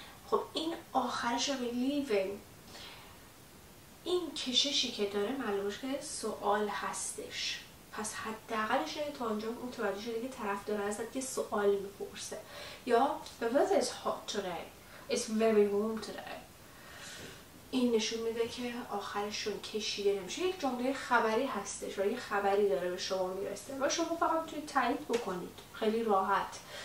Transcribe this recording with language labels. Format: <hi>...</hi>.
<fa>خب این آخرش رو به leaving، این کششی که داره معلومه که سوال هستش. پس حداقلش اینه تا اونجا متوجه شده که طرف داره ازت یه سوال میپرسه. یا</fa> <en>the weather is hot today. It's very warm today.</en> <fa>این نشون میده که آخرشون کشیده نمیشه. یک جمله خبری هستش و یه خبری داره به شما میرسه و شما فقط میتونید تایید بکنید خیلی راحت.</fa>